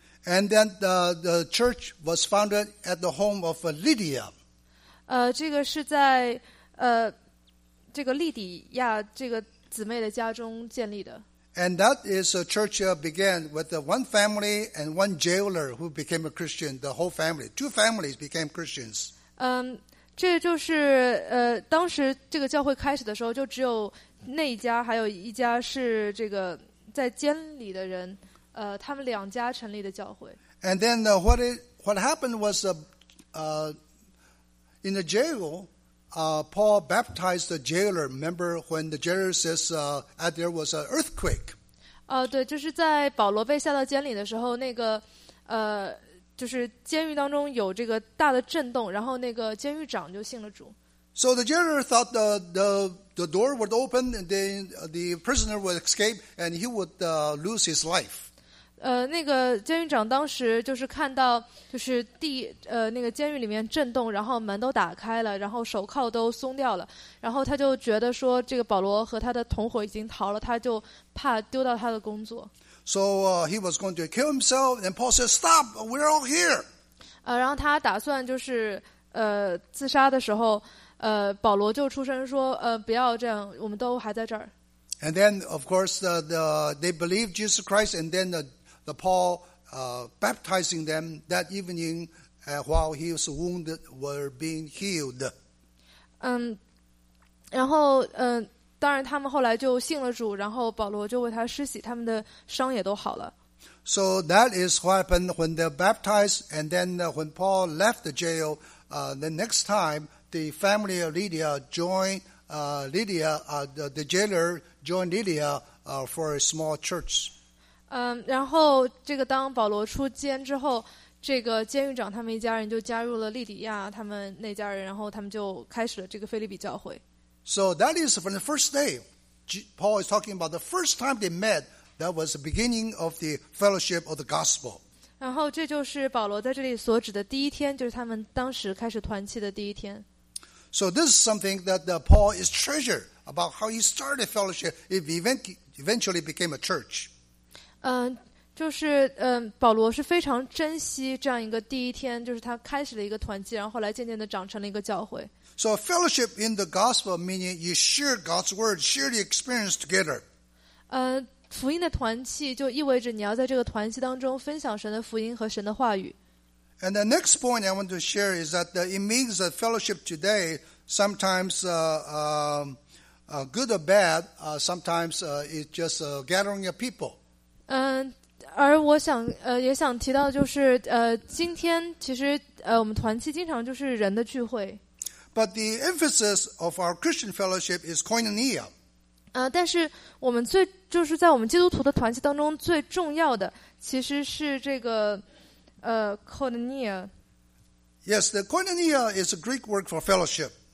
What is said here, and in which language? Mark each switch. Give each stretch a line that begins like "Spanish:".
English: And then the church was founded at the home of Lydia.
Chinese: 这个是在这个利底亚这个姊妹的家中建立的。
English: And that is a church began with one family and one jailer who became a Christian, the whole family. Two families became Christians.
Chinese: 这就是当时这个教会开始的时候，就只有那一家，还有一家是这个在监里的人，他们两家成立的教会。
English: And then what happened was in the jail, Paul baptized the jailer. Remember when the jailer says there was an earthquake?
Chinese: 对，就是在保罗被下到监里的时候，那个就是监狱当中有这个大的震动，然后那个监狱长就信了主。
English: So the jailer thought the door would open and then the prisoner would escape and he would lose his life.
Chinese: 那个监狱长当时就是看到就是那个监狱里面震动，然后门都打开了，然后手铐都松掉了，然后他就觉得说这个保罗和他的同伙已经逃了，他就怕丢掉他的工作。
English: So he was going to kill himself, and Paul said, "Stop! We're all here."
Chinese: 然后他打算就是自杀的时候，保罗就出声说，不要这样，我们都还在这儿。
English: And then, of course, they believed Jesus Christ, and then the Paul baptizing them that evening while he was wounded were being healed.
Chinese: 然后当然，他们后来就信了主，然后保罗就为他施洗，他们的伤也都好了。
English: So that is what happened when they baptized, and then when Paul left the jail, the next time the family of Lydia joined Lydia, the jailer joined Lydia for a small church.
Chinese: 然后这个当保罗出监之后，这个监狱长他们一家人就加入了利底亚他们那家人，然后他们就开始了这个腓立比教会。
English: So that is from the first day. Paul is talking about the first time they met. That was the beginning of the fellowship of the gospel.
Chinese: 然后这就是保罗在这里所指的第一天，就是他们当时开始团契的第一天。
English: So this is something that Paul is treasured about how he started a fellowship. It eventually became a church.
Chinese: 就是保罗是非常珍惜这样一个第一天，就是他开始了一个团契，然后后来渐渐的长成了一个教会。
English: So a fellowship in the gospel, meaning you share God's word, share the experience together.
Chinese: 福音的团契就意味着你要在这个团契当中分享神的福音和神的话语。
English: And the next point I want to share is that it means that fellowship today, sometimes good or bad, sometimes it's just a gathering of people.
Chinese: 而我想也想提到就是今天其实我们团契经常就是人的聚会。
English: But the emphasis of our Christian fellowship is koinonia.
Chinese: 但是我们最就是在我们基督徒的团契当中最重要的其实是这个koinonia.
English: Yes, the koinonia is a Greek word for fellowship.